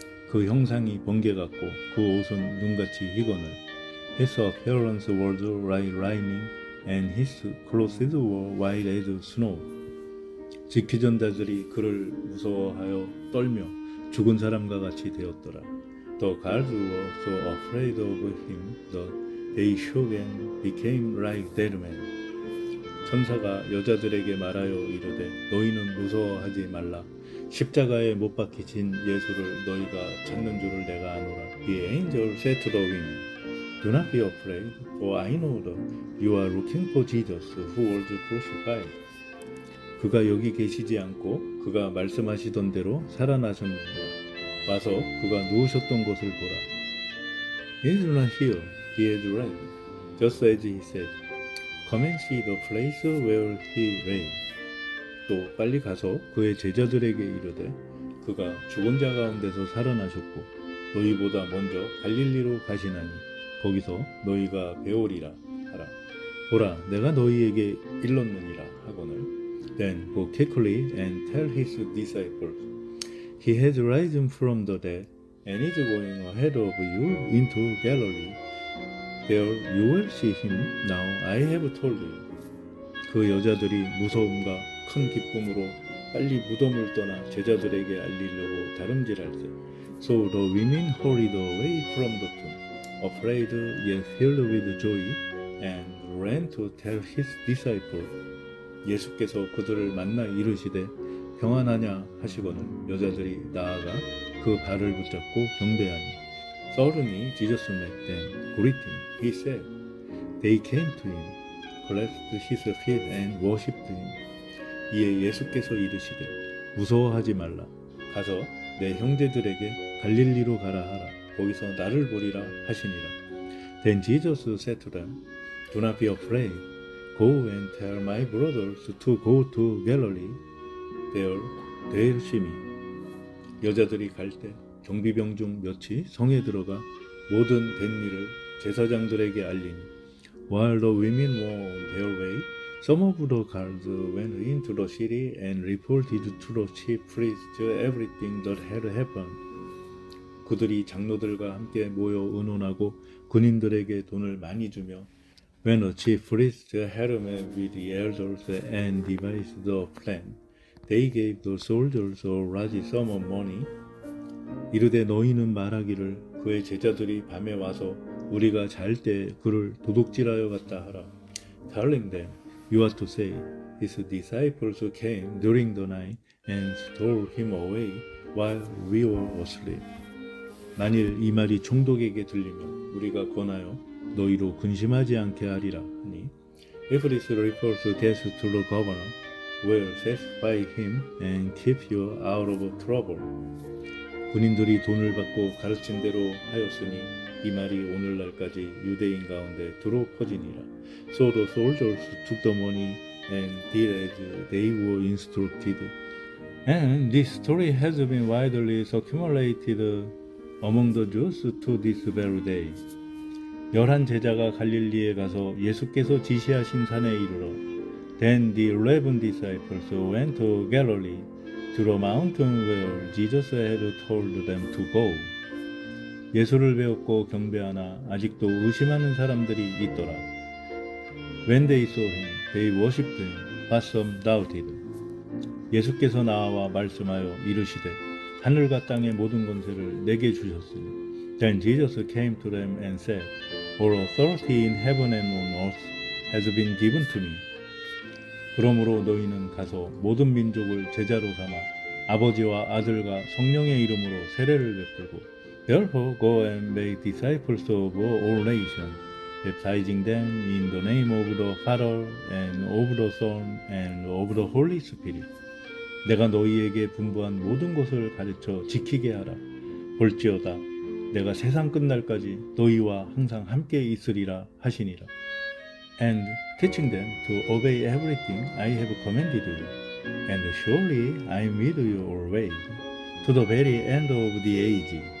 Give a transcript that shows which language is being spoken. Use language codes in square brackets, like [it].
[ko] 그 형상이 번개 같고 그 옷은 눈같이 희거늘. [en] His appearance was like lightning, and his clothes were white as snow. [ko] 지키전자들이 그를 무서워하여 떨며 죽은 사람과 같이 되었더라. [en] The guards were so afraid of him that they shook and became like dead men. [ko] 천사가 여자들에게 말하여 이르되 너희는 무서워하지 말라. 십자가에 못 박히신 예수를 너희가 찾는 줄을 내가 아노라. [en] The angel said to the women, Do not be afraid, for I know that you are looking for Jesus who was crucified. [ko] 그가 여기 계시지 않고 그가 말씀하시던 대로 살아나셨는가. 와서 그가 누우셨던 곳을 보라. [en] He is not here. He is risen. Just as he said, Come and see the place where he lay. [ko] 또 빨리 가서 그의 제자들에게 이르되, 그가 죽은 자 가운데서 살아나셨고 너희보다 먼저 갈릴리로 가시나니 거기서 너희가 배우리라 하라. 보라, 내가 너희에게 일렀느니라 하거늘. [en] Then go quickly and tell his disciples. He has risen from the dead and is going ahead of you into Galilee. There you will see him. Now I have told you. [ko] 그 여자들이 무서움과 큰 기쁨으로 빨리 무덤을 떠나 제자들에게 알리려고 다름질할세. [en] So the women hurried away from the tomb, afraid yet filled with joy, and ran to tell his disciples. [ko] 예수께서 그들을 만나 이르시되 평안하냐 하시거늘 여자들이 나아가 그 발을 붙잡고 경배하니 [en] Suddenly Jesus met them, greeting. He said, They came to him, clasped his feet and worshipped him. [ko] 이에 예수께서 이르시되 무서워하지 말라 가서 내 형제들에게 갈릴리로 가라 하라 거기서 나를 보리라 하시니라. [en] Then Jesus said to them, Do not be afraid. Go and tell my brothers to go to Galilee. There they will see me. [ko] 여자들이 갈 때 경비병 중 몇이 성에 들어가 모든 된 일을 제사장들에게 알리니 [en] While the women were on their way, some of the guards went into the city and reported to the chief priests everything that had happened. [ko] 그들이 장로들과 함께 모여 의논하고 군인들에게 돈을 많이 주며 [en] When the chief priests had met with the elders and devised the plan, they gave the soldiers a large sum of money. [ko] 이르되 너희는 말하기를 그의 제자들이 밤에 와서 우리가 잘 때 그를 도둑질하여 갔다 하라. [en] Telling them, you are to say, his disciples came during the night and stole him away while we were asleep. [ko] 만일 이 말이 총독에게 들리면 우리가 권하여 너희로 근심하지 않게 하리라 하니 [en] If this reports death to the governor, we'll satisfy him and keep you out of trouble. [ko] 군인들이 돈을 받고 가르친 대로 하였으니 이 말이 오늘날까지 유대인 가운데 두루 퍼지니라. [en] So the soldiers took the money and did as they were instructed. And this story has been widely circulated among the Jews to this very day. [ko] 열한 제자가 갈릴리에 가서 예수께서 지시하신 산에 이르러 [en] Then the 11 disciples went to Galilee, to the mountain where Jesus had told them to go. [ko] 예수를 배웠고 경배하나 아직도 의심하는 사람들이 있더라. [en] When they saw him, they worshipped him, but some doubted. [ko] 예수께서 나와 말씀하여 이르시되 하늘과 땅의 모든 권세를 내게 주셨으니 [en] Then Jesus came to them and said, All authority in heaven and on earth has been given to me. [ko] 그러므로 너희는 가서 모든 민족을 제자로 삼아 아버지와 아들과 성령의 이름으로 세례를 베풀고 [en] Therefore go and make disciples of all nations, baptizing them in the name of the Father and of the Son and of the Holy Spirit. [ko] 내가 너희에게 분부한 모든 것을 가르쳐 지키게 하라. 볼지어다. 내가 세상 끝날까지 너희와 항상 함께 있으리라 하시니라. [en] And teaching them to obey everything I have commanded you. And surely I am with you always, to the very end of the age.